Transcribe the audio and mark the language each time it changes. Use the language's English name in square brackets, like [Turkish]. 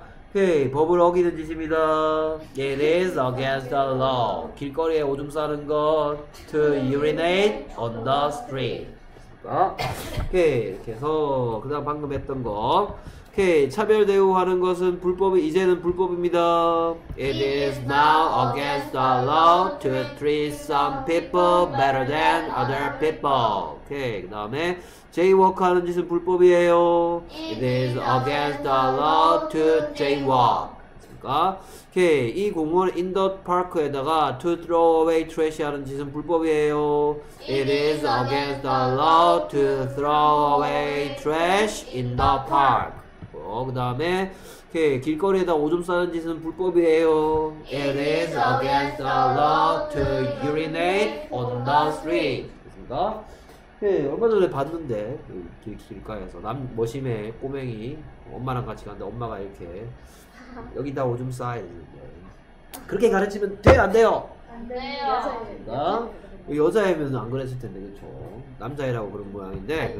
[Korean] 오케이, 법을 어기는 짓입니다. [English] It is against the law. [Korean] 길거리에 오줌 싸는 것. [English] To urinate on the street. [Korean] 오케이, 이렇게 해서 그 다음 방금 했던 거. 오케이, 차별 대우하는 것은 불법이 이제는 불법입니다. [English] It is now against the law to treat some people better than other people. [Korean] 오케이, 그 다음에 jaywalk 하는 짓은 불법이에요. [English] It is against the law to jaywalk. [Korean] 그러니까, 오케이, 이 공원 [English] in the park에다가 to throw away trash [Korean] 하는 짓은 불법이에요. [English] It is against the law to throw away trash in the park. [Korean] 그 다음에 이렇게 길거리에다 오줌 싸는 짓은 불법이에요. [English] It is against the law to urinate on the street. [Korean] 됐습니까? 네, 얼마 전에 봤는데 길가에서 남 머심의 꼬맹이 엄마랑 같이 갔는데 엄마가 이렇게 여기다 오줌 싸야 되는데 그렇게 가르치면 돼요? 안 돼요? 안 돼요. 여자애면 안 그랬을 텐데 그렇죠. 남자애라고 그런 모양인데